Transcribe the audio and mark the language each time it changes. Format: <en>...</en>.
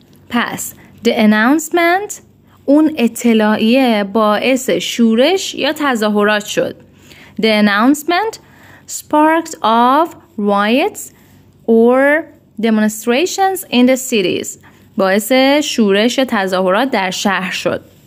<fa>پس</fa> <en>the announcement</en> <fa>اون اطلاعیه باعث شورش یا تظاهرات شد.</fa> <en>The announcement sparked off riots or demonstrations in the cities.</en> <fa>باعث شورش یا تظاهرات در شهر شد.</fa>